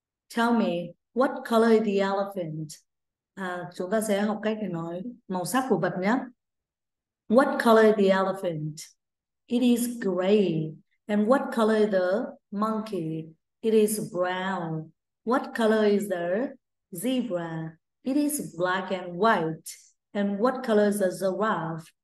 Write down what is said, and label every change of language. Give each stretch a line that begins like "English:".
English: Tell me, what color is the elephant?
Vietnamese: Chúng ta sẽ học cách để nói màu sắc của vật nhé.
English: What color is the elephant? It is gray. And what color is the monkey? It is brown. What color is the zebra? It is black and white. And what color is a giraffe?